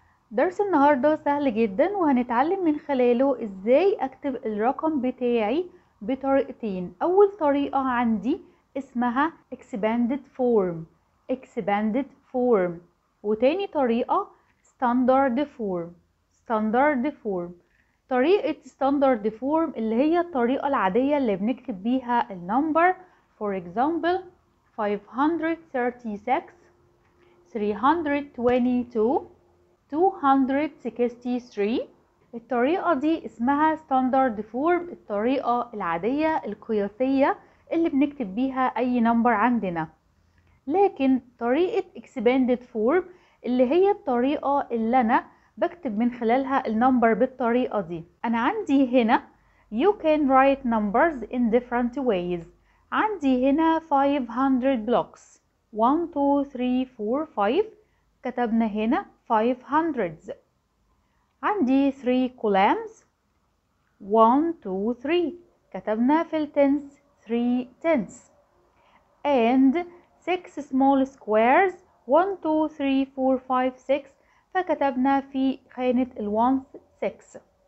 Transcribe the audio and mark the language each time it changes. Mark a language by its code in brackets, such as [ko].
[ar] درس النهاردة سهل جدا وهنتعلم من خلاله إزاي أكتب الرقم بتاعي بطريقتين. أول طريقة عندي اسمها expanded form, expanded form, وتاني طريقة standard form, standard form. طريقة standard form اللي هي الطريقة العادية اللي بنكتب بيها النمبر, for example 536, 322, 263. الطريقة دي اسمها standard form, الطريقة العادية القياسية اللي بنكتب بيها اي نمبر عندنا. لكن طريقة expanded form اللي هي الطريقة اللي انا بكتب من خلالها النمبر بالطريقة دي. انا عندي هنا [en] you can write numbers in different ways. [ar] عندي هنا 500 blocks, 1, 2, 3, 4, 5, كتبنا هنا 500s. عندي 3 columns, 1, 2, 3, كتبنا في التنس 3 tens, [en] and 6 small squares, [ar] 1, 2, 3, 4, 5, 6, فكتبنا في خانة ال 1, 6.